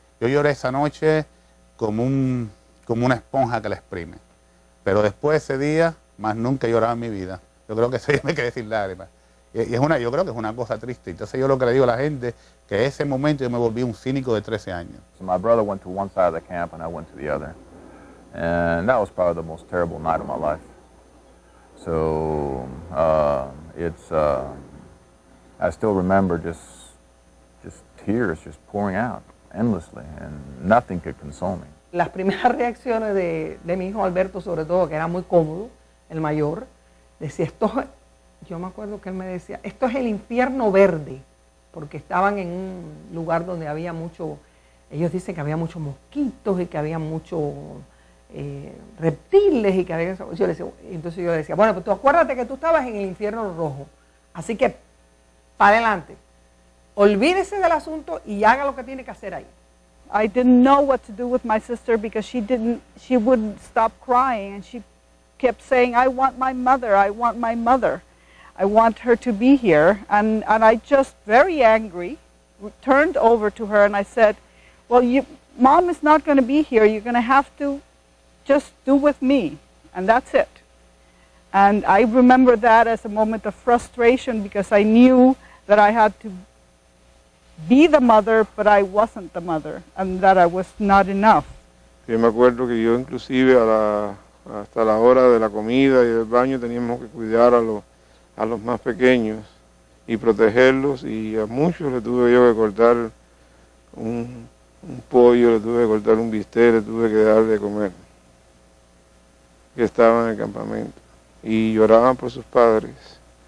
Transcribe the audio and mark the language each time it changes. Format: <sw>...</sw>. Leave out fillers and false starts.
<es>Yo lloré esa noche como una esponja que la exprime. Pero después de ese día, más nunca he llorado en mi vida. Yo creo que ese día me quedé sin lágrimas. Y es una, yo creo que es una cosa triste. Entonces yo lo que le digo a la gente, que en ese momento yo me volví un cínico de 13 años.</es> <en>So my brother went to one side of the camp and I went to the other. And that was probably the most terrible night of my life. So I still remember just tears just pouring out endlessly and nothing could console me.</en> <es>Las primeras reacciones de mi hijo Alberto, sobre todo, que era muy cómodo, el mayor, decía esto, yo me acuerdo que él me decía, esto es el infierno verde, porque estaban en un lugar donde había mucho, ellos dicen que había muchos mosquitos y que había muchos reptiles y que había, yo le decía, entonces yo le decía, bueno, pues tú acuérdate que tú estabas en el infierno rojo, así que para adelante, olvídese del asunto y haga lo que tiene que hacer ahí.</es> <en>I didn't know what to do with my sister because she wouldn't stop crying and she kept saying, I want my mother, I want my mother. I want her to be here. And I just, very angry, turned over to her and I said, well, mom is not going to be here. You're going to have to just do with me. And that's it. And I remember that as a moment of frustration because I knew that I had to be the mother, but I wasn't the mother, and that I was not enough.</en> <es>Yo me acuerdo que yo inclusive hasta la hora de la comida y del baño teníamos que cuidar a los más pequeños y protegerlos, y a muchos le tuve yo que cortar un pollo, le tuve que cortar un bistec, le tuve que dar de comer, que estaban en el campamento, y lloraban por sus padres.</es>